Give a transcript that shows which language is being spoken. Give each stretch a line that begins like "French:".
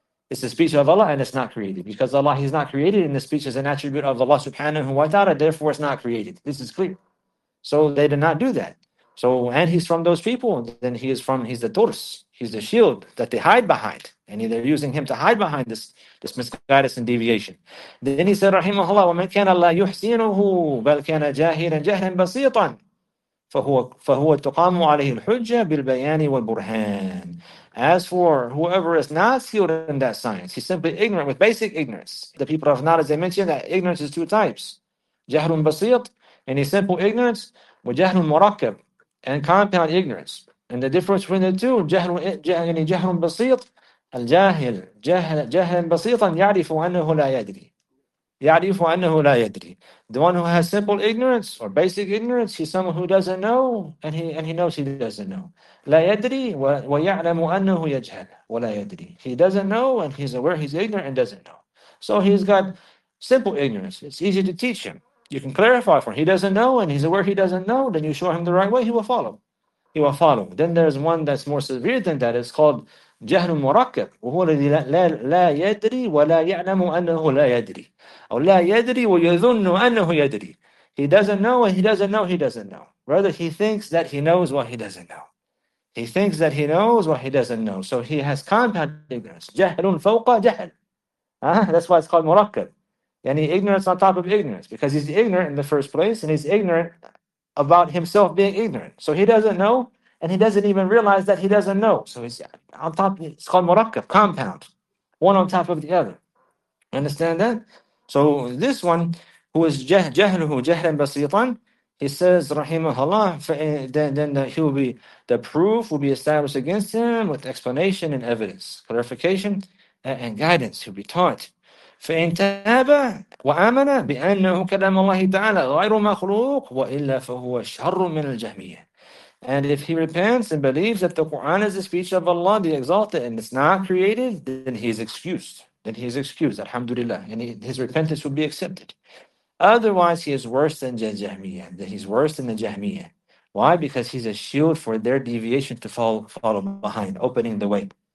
English: It's the speech of Allah and it's not created. Because Allah, he's not created, and the speech is an attribute of Allah subhanahu wa ta'ala, therefore it's not created. This is clear. So they did not do that. So, and he's from those people, then he is from, he's the turs, he's the shield that they hide behind. And they're using him to hide behind this misguidance and deviation.
Arabic: Then he said, Rahimahullah, وَمَنْ كَانَ اللَّهُ يُحْسِنُهُ بَلْ كَانَ جَاهِلًا جَهْلًا بَسِيطًا فَهُوَ تُقَامُ عَلَيْهِ الْحُجَّةِ بِالْبَيَانِ وَالْبُرْهَانِ.
English: As for whoever is not skilled in that science, he's simply ignorant with basic ignorance. The people of knowledge, they mentioned that ignorance is two types. جَهْلٌ بَسِيطٌ, and a simple ignorance, وَجَهْلٌ مُرَكَّبٌ, and compound ignorance.
Arabic: And the difference between the two, جَهْلٌ بَسِيطٌ الْجَاهِلْ جَهْلٌ بَسِيطًا يَعْرِفُ أَنَّهُ لَا يَدْرِي يَعْرِفُ أَنَّهُ لَا يَدْرِي.
English: The one who has simple ignorance or basic ignorance, he's someone who doesn't know, and he knows he doesn't know.
Arabic: لَا يَدْرِي وَيَعْلَمُ أَنَّهُ يَجْهَلْ وَلَا يَدْرِي.
English: He doesn't know, and he's aware he's ignorant and doesn't know. So he's got simple ignorance. It's easy to teach him. You can clarify for him. He doesn't know, and he's aware he doesn't know. Then you show him the right way, he will follow. He will follow.
Arabic: Then there's one that's more severe than that. It's called جهل مركب وهو الذي لا يدري ولا يعلم أنه لا يدري أو لا يدري ويظن أنه يدري.
English: He doesn't know, and he doesn't know, he doesn't know. Rather, he thinks that he knows what he doesn't know. He thinks that he knows what he doesn't know. So he has compound ignorance.
Arabic: جهل فوق جهل.
English: That's why it's called مركب. Any ignorance on top of ignorance, because he's ignorant in the first place, and he's ignorant about himself being ignorant. So he doesn't know, and he doesn't even realize that he doesn't know. So he's on top, it's called murakkab, compound, one on top of the other. Understand that? So this one, who is jahluhu, jahlan basitan, he says, rahimahullah, then he will be, the proof will be established against him with explanation and evidence, clarification and guidance. He'll be taught.
Arabic: فإن تاب وآمن بأنه كلام الله تعالى غير مخلوق وإلا فهو شر من الجهمية.
English: And if he repents and believes that the Quran is the speech of Allah, the exalted, and it's not created, then he is excused. Then he is excused, alhamdulillah. And his repentance will be accepted. Otherwise, he is worse than Jahmiyyah. Then he's worse than the Jahmiyyah. Why? Because he's a shield for their deviation to follow behind, opening the way.